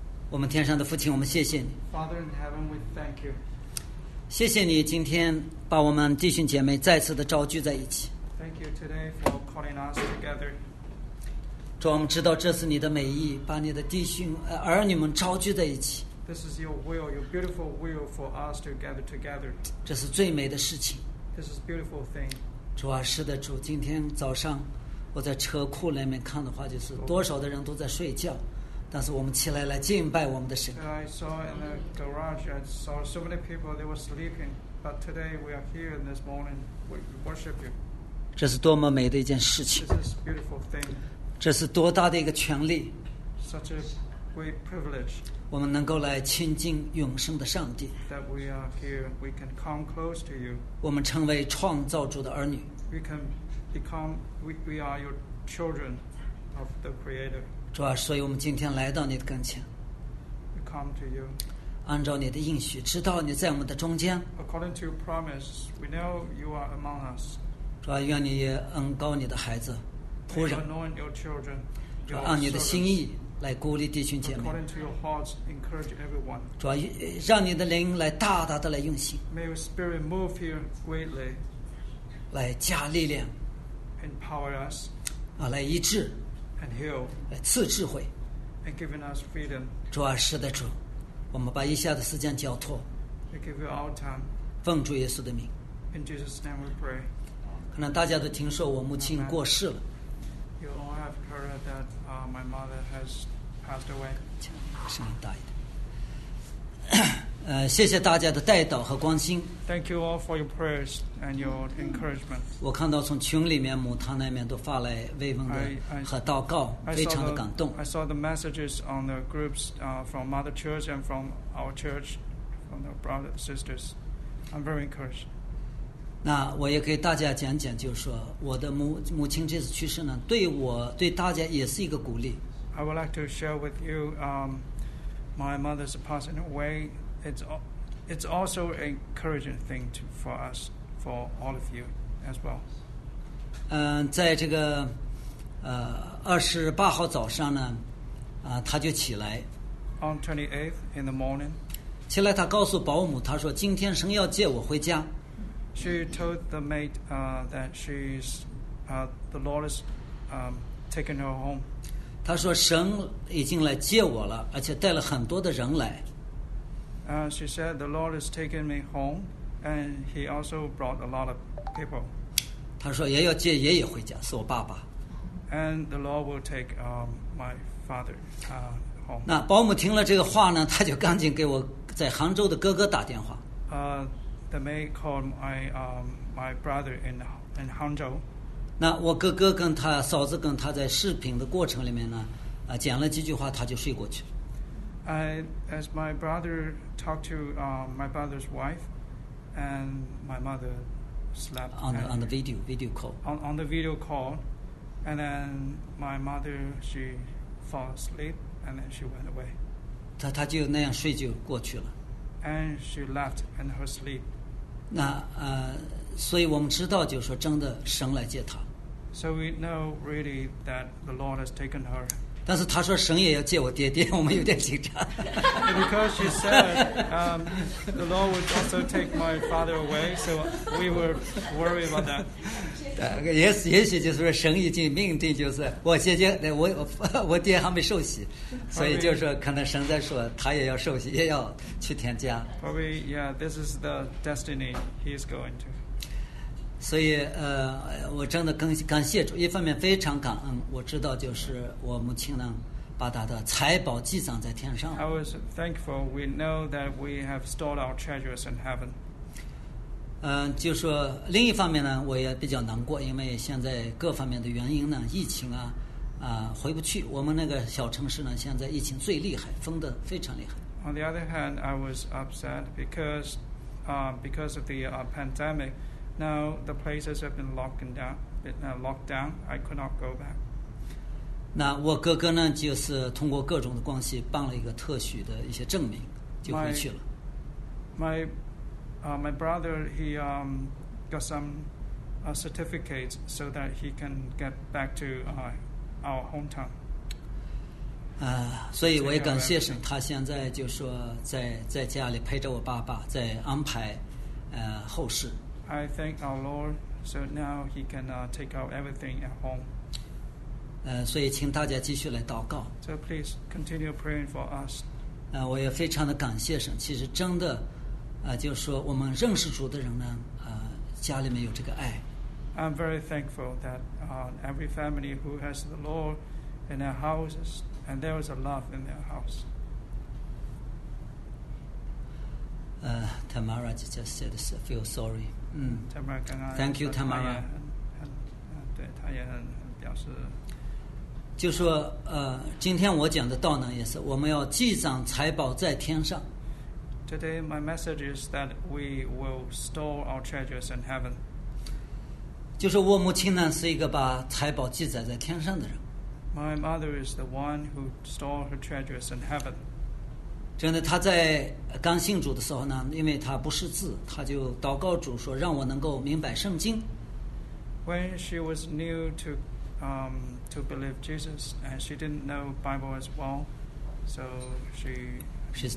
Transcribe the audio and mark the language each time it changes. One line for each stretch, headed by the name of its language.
Chinese: 我们天上的父亲，我们谢谢你。
English: Father in heaven, we thank you.
Chinese: 谢谢你今天把我们弟兄姐妹再次的召聚在一起。
English: Thank you today for calling us together.
Chinese: 主，我们知道这是你的美意，把你的弟兄儿女们召聚在一起。
English: This is your will, your beautiful will for us to gather together.
Chinese: 这是最美的事情。
English: This is a beautiful thing.
Chinese: 主啊，是的，主，今天早上我在车库里面看的话，就是多少的人都在睡觉，但是我们起来来敬拜我们的神。
English: I saw in the garage, I saw so many people, they were sleeping, but today we are here in this morning, we worship you.
Chinese: 这是多么美的一件事情。
English: This is a beautiful thing.
Chinese: 这是多大的一个权利。
English: Such a great privilege.
Chinese: 我们能够来亲近永生的上帝。
English: That we are here, we can come close to you.
Chinese: 我们成为创造主的儿女。
English: We can become, we are your children of the Creator.
Chinese: 主啊，所以我们今天来到你的跟前。
English: We come to you.
Chinese: 按照你的应许，知道你在我们的中间。
English: According to your promise, we know you are among us.
Chinese: 主啊，愿你也恩膏你的孩子，仆人。
English: May you anoint your children.
Chinese: 主啊，按你的心意来鼓励弟兄姐妹。
English: According to your hearts, encourage everyone.
Chinese: 主啊，让你的灵来大大的来运行。
English: May your spirit move here greatly.
Chinese: 来加力量。
English: Empower us.
Chinese: 啊，来医治。
English: And heal.
Chinese: 来赐智慧。
English: And giving us freedom.
Chinese: 主啊，是的，主，我们把以下的时间交托。
English: We give you all time.
Chinese: 奉主耶稣的名。
English: In Jesus' name we pray.
Chinese: 可能大家都听说我母亲过世了。
English: You all have heard that my mother has passed away.
Chinese: 声音大一点。谢谢大家的带导和关心。
English: Thank you all for your prayers and your encouragement.
Chinese: 我看到从群里面、母堂那边都发来慰问的和祷告，非常的感动。
English: I saw the messages on the groups from Mother Church and from our church, from the brothers and sisters. I'm very encouraged.
Chinese: 那我也给大家讲讲，就是说我的母亲这次去世呢，对我对大家也是一个鼓励。
English: I would like to share with you, my mother's passing away. It's also an encouraging thing for us, for all of you as well.
Chinese: 在这个28号早上呢，他就起来。
English: On 28th in the morning.
Chinese: 起来，他告诉保姆，他说今天神要接我回家。
English: She told the maid that she's the Lord is taking her home.
Chinese: 她说神已经来接我了，而且带了很多的人来。
English: She said the Lord is taking me home, and he also brought a lot of people.
Chinese: 她说也要接爷爷回家，是我爸爸。
English: And the Lord will take my father home.
Chinese: 那保姆听了这个话呢，她就赶紧给我在杭州的哥哥打电话。
English: The maid called my brother in Hangzhou.
Chinese: 那我哥哥跟他嫂子跟他在视频的过程里面呢，讲了几句话，他就睡过去了。
English: As my brother talked to my brother's wife, and my mother slept on the video call. On the video call, and then my mother she fell asleep, and then she went away.
Chinese: 他就那样睡就过去了。
English: And she left in her sleep.
Chinese: 那所以我们知道，就是说真的神来接她。
English: So we know really that the Lord has taken her.
Chinese: 但是她说神也要接我爹爹，我们有点紧张。
English: Because she said the Lord would also take my father away, so we were worried about that.
Chinese: 也许就是说神已经命定，就是我姐姐，我爹还没受洗，所以就是可能神在说他也要受洗，也要去添加。
English: Probably, yeah, this is the destiny he is going to.
Chinese: 所以我真的感谢主，一方面非常感恩，我知道就是我母亲呢，把他的财宝积攒在天上。
English: I was thankful. We know that we have stored our treasures in heaven.
Chinese: 就说另一方面呢，我也比较难过，因为现在各方面的原因呢，疫情啊。回不去。我们那个小城市呢，现在疫情最厉害，封得非常厉害。
English: On the other hand, I was upset because of the pandemic. Now the places have been locked down. I could not go back.
Chinese: 那我哥哥呢，就是通过各种的关系办了一个特许的一些证明，就回去了。
English: My brother he got some certificates so that he can get back to our hometown.
Chinese: 所以我也感谢神，他现在就说在家里陪着我爸爸，在安排后事。
English: I thank our Lord, so now he can take out everything at home.
Chinese: 所以请大家继续来祷告。
English: So please continue praying for us.
Chinese: 我也非常的感谢神，其实真的，就是说我们认识主的人呢，家里面有这个爱。
English: I'm very thankful that every family who has the Lord in their houses. And there was a love in their house. Tamara just said, feel sorry.
Chinese: Tamara, 刚刚
English: Thank you, Tamara.
Chinese: 对，她也很表示。就说今天我讲的道呢，也是我们要积攒财宝在天上。
English: Today, my message is that we will store our treasures in heaven.
Chinese: 就说我母亲呢，是一个把财宝积攒在天上的人。
English: My mother is the one who stole her treasures in heaven.
Chinese: 真的，她在刚信主的时候呢，因为她不识字，她就祷告主说，让我能够明白圣经。
English: When she was new to believe Jesus, and she didn't know Bible as well, so she's